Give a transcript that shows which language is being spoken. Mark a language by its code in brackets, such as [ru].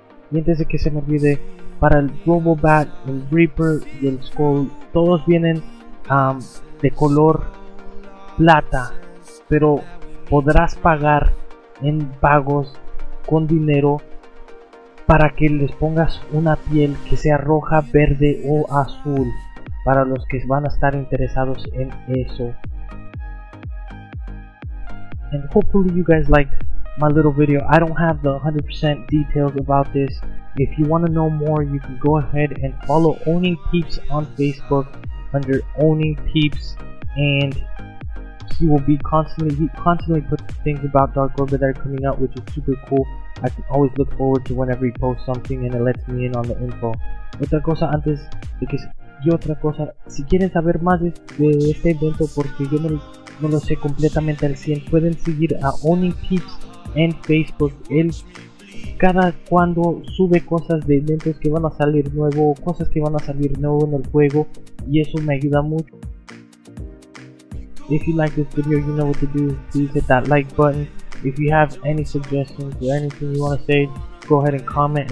[es] Y antes de que se me olvide, para el Robo Bat, el Reaper y el Skull, todos vienen de color plata, pero podrás pagar en pagos con dinero para que les pongas una piel que sea roja, verde o azul, para los que van a estar interesados en eso. [en] And hopefully you guys liked my little video. I don't have the 100% details about this. If you want to know more, you can go ahead and follow Owning Peeps on Facebook under Owning Peeps, and he constantly puts things about Dark Orbit that are coming out, which is super cool. I can always look forward to whenever he posts something and it lets me in on the info. [es] Otra cosa antes de que, y otra cosa, si quieren saber más de este evento, porque yo no lo sé completamente al 100, pueden seguir a Owning Peeps en Facebook. Él cada cuando sube cosas de eventos que van a salir nuevo, cosas que van a salir nuevo en el juego, y eso me ayuda mucho. [en] If you like this video, you know what to do. Please hit that like button. If you have any suggestions or anything you want to say, go ahead and comment.